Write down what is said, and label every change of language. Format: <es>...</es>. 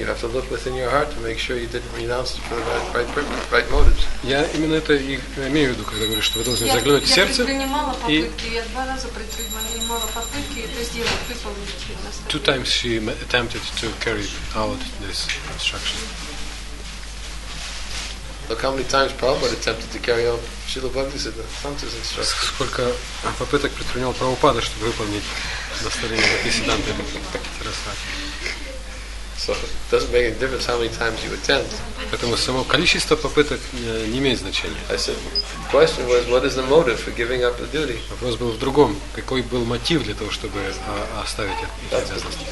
<en>You have to look within your heart to make sure you didn't renounce it for the right motives.</en> <ru>Я именно это и имею в виду, когда говорю, что вы должны заглянуть в сердце. Я предпринимала попытки, я два раза предпринимала попытки, это сделать, выполнить.</ru> <en>Two times she attempted to carry out this instruction. Look how many times Prabhupada attempted to carry out Srila Bhaktisiddhanta's instructions.</en> <ru>Сколько попыток предпринял Прабхупада, чтобы выполнить наставление Бхактисиддханты Сарасвати.</ru> <en>So it doesn't make any difference how many times you attempt.</en> <ru>Поэтому само количество попыток не имеет значения.</ru> <en>I said, the question was, what is the motive for giving up the duty?</en> <ru>Вопрос был в другом. Какой был мотив для того, чтобы оставить эти обязанности?</ru>